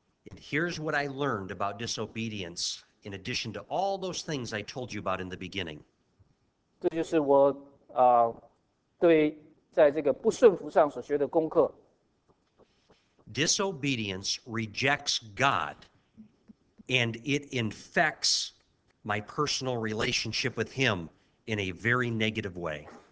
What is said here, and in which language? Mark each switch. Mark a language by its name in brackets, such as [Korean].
[English] And here's what I learned about disobedience in addition to all those things I told you about in the beginning. [Chinese] 这就是我对在这个不顺服上所学的功课。 [English] Disobedience rejects God, and it infects my personal relationship with Him in a very negative way.